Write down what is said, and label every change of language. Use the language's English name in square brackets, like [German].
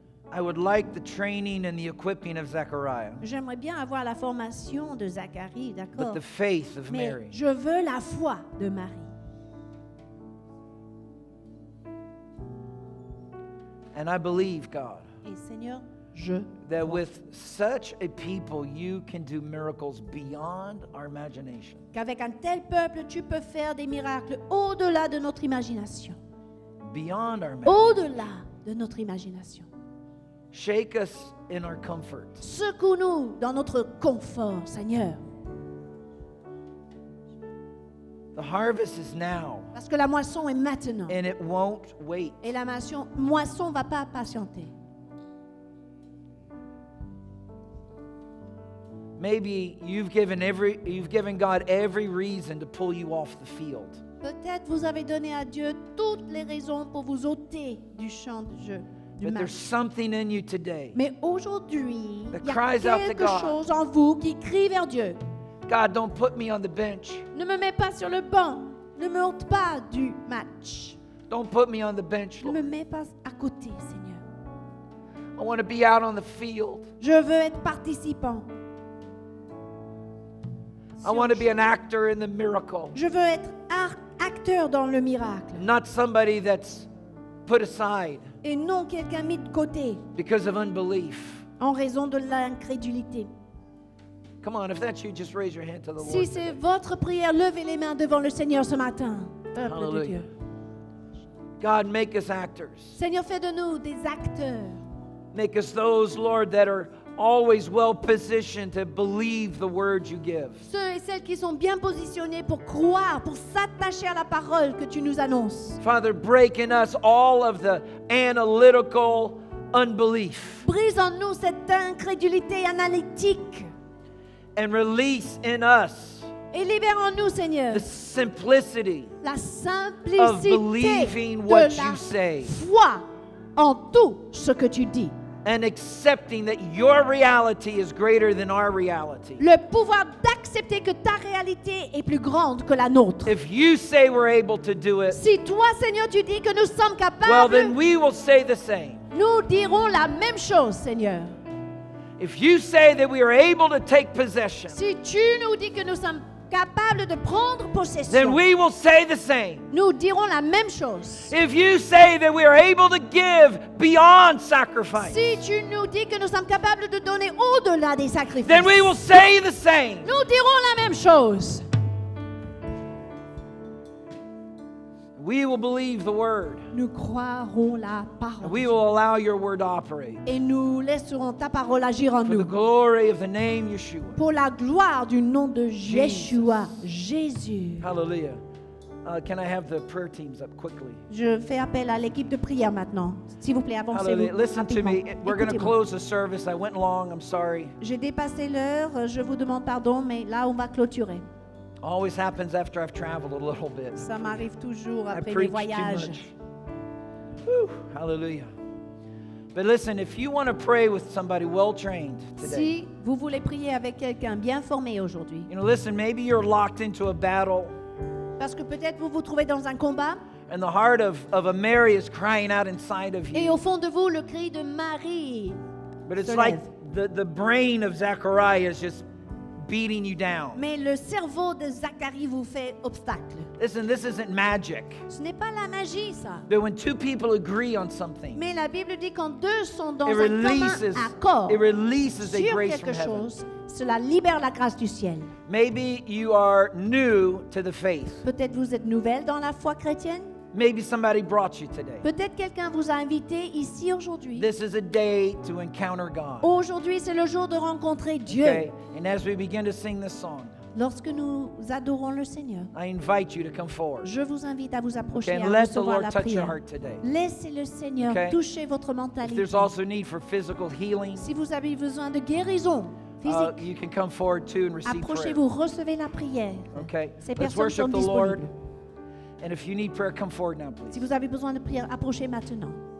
[English] I would like the training and the equipping of Zachariah. [French] J'aimerais bien avoir la formation de Zacharie, d'accord? [English] But the faith of [French] Mais [English] Mary. [French] Je veux la foi de Marie. [English] And I believe, God. [French] Et Seigneur, [English] that with such a people you can do miracles beyond our imagination. [French] Qu'avec un tel peuple tu peux faire des miracles au-delà de notre imagination. [English] Beyond our imagination. [French] Au-delà de notre imagination. [English] Shake us in our comfort. [French] Secoue-nous dans notre confort, Seigneur. [English] The harvest is now. [French] Parce que la moisson est maintenant. [English] And it won't wait. [French] Et la moisson va pas patienter. [English] Maybe you've given God every reason to pull you off the field. [French] Peut-être vous avez donné à Dieu toutes les raisons pour vous ôter du champ de jeu. [English] But there's something in you today. [French] Mais aujourd'hui, il y a quelque chose en vous qui crie vers Dieu. [English] God, don't put me on the bench. [French] Ne me mets pas sur le banc. Ne me ôte pas du match. [English] Don't put me on the bench, Lord. [French] Ne me mets pas à côté, Seigneur. [English] I want to be out on the field. [French] Je veux être participant. [English] I want to be an actor in the miracle. [French] Je veux être acteur dans le miracle. [English] Not somebody that's put aside. [French] Et non quelqu'un mis de côté. [English] Because of unbelief. [French] En raison de l'incrédulité. [English] Come on, if that's you, just raise your hand to the Lord. [French] Si c'est votre prière, levez les mains devant le Seigneur ce matin. [English] Hallelujah. God, make us actors. [French] Seigneur, fais de nous des acteurs. [English] Make us those, Lord, that are always well positioned to believe the word you give. [French] Ceux et celles qui sont bien positionnés pour croire, pour s'attacher à la parole que tu nous annonces. [English] Father, break in us all of the analytical unbelief. [French] Brise en nous cette incrédulité analytique. [English] And release in us. [French] Et libère en nous, Seigneur. [English] The simplicity. [French] La simplicité [English] of believing what you say. [French] Foi en tout ce que tu dis. [English] And accepting that your reality is greater than our reality. [French] Le pouvoir d'accepter que ta réalité est plus grande que la nôtre. [English] If you say we're able to do it, [French] si toi, Seigneur, tu dis que nous sommes capables, [English] well, then we will say the same. [French] Nous dirons la même chose, Seigneur. [English] If you say that we are able to take possession, [French] si tu nous dis que nous sommes capables de prendre possession, [English] then we will say the same. [French] Nous dirons la même chose. [English] If you say that we are able to give beyond sacrifice, [French] si tu nous dis que nous sommes capables de donner au-delà des sacrifices, [English] then we will say the same. [French] Nous dirons la même chose. [English] We will believe the word. [French] Nous croirons la parole. [English] We will allow your word to operate. [French] Et nous laisserons ta parole agir en [English] For [French] nous. [English] The glory of the name Yeshua. [French] Pour la gloire du nom de Yeshua, Jésus. [English] Hallelujah. Can I have the prayer teams up quickly? [French] Je fais appel à l'équipe de prière maintenant. S'il vous plaît, avancez-vous. [English] Hallelujah. Listen [French] rapidement. [English] To me. We're going to close the service. I went long. I'm sorry. [French] J'ai dépassé l'heure. Je vous demande pardon, mais là on va clôturer. [English] Always happens after I've traveled a little bit. [French] Ça m'arrive toujours après les voyages. [English] Whew, hallelujah. But listen, if you want to pray with somebody well trained today. [French] Si vous voulez prier avec quelqu'un bien formé aujourd'hui. [English] You know, listen, maybe you're locked into a battle. [French] Parce que peut-être vous vous trouvez dans un combat. [English] And the heart of a Mary is crying out inside of you. [French] Et au fond de vous, le cri de Marie. [English] But it's like the brain of Zachariah is just beating you down. [French] Mais le cerveau de Zacharie vous fait obstacle. [English] Listen, this isn't magic. [French] Ce n'est pas la magie, ça. [English] But when two people agree on something, [French] mais la Bible dit quand deux sont dans un commun accord, [English] it releases [French] sur [English] a grace [French] quelque [English] from [French] chose, [English] heaven. [French] Cela libère la grâce du ciel. [English] Maybe you are new to the faith. [French] Peut-être vous êtes nouvelle dans la foi chrétienne. [English] Maybe somebody brought you today. [French] Peut-être quelqu'un vous a invité ici aujourd'hui. [English] This is a day to encounter God. [French] Aujourd'hui, c'est le jour de rencontrer Dieu. [English] Okay. And as we begin to sing this song, [French] lorsque nous adorons le Seigneur, [English] I invite you to come forward. [French] Je vous invite à vous approcher, [English] okay, [French] à recevoir la prière. [English] Let the Lord touch your heart today. [French] Laissez le Seigneur, [English] okay, [French] toucher votre mentalité. [English] If there's also need for physical healing, [French] si vous avez besoin de guérison physique, [English] you can come forward too and receive [French] approchez-vous, [English] prayer. [French] Recevez la prière. [English] Okay. [French] Ces [English] Let's worship [French] sont [English] the Lord. And if you need prayer, come forward now, please. [French] Si vous avez besoin de prière, approchez maintenant.